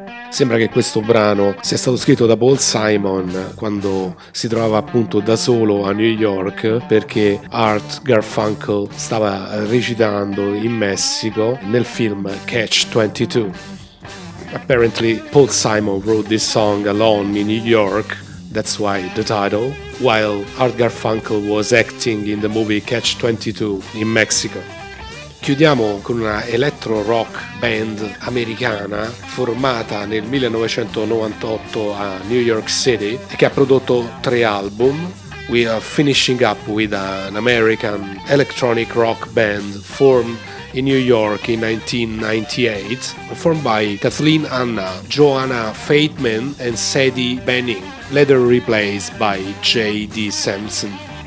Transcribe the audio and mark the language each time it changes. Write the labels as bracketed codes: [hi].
[it] Sembra che questo brano sia stato scritto da Paul Simon quando si trovava appunto da solo a New York, perché Art Garfunkel stava recitando in Messico nel film Catch 22. [en] Apparently Paul Simon wrote this song alone in New York, that's why the title, while Art Garfunkel was acting in the movie Catch 22 in Mexico. [it] Chiudiamo con una electro rock band americana formata nel 1998 a New York City e che ha prodotto 3 album. [en] We are finishing up with an American electronic rock band formed in New York in 1998, formed by Kathleen Anna, Joanna Fateman and Sadie Benning, later replaced by J.D. Sampson.